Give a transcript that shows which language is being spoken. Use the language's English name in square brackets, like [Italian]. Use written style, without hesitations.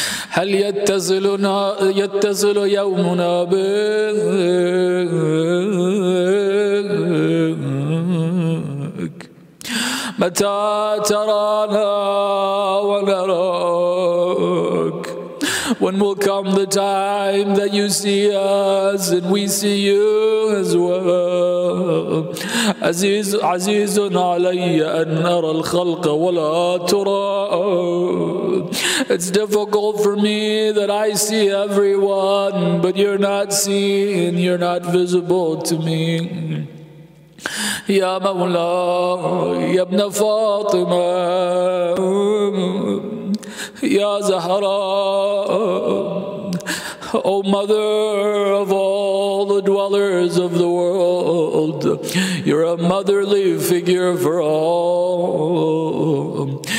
[Arabic] هل يتصل يومنا بك متى ترانا ونراك. [English] When will come the time that you see us and we see you as well. [Arabic] عزيز عزيز علي أن نرى الخلق ولا ترى. [English] It's difficult for me that I see everyone, but you're not seen, you're not visible to me. Ya Mawla, Ya Ibn Fatima, Ya Zahra, O Mother of all the dwellers of the world, you're a motherly figure for all.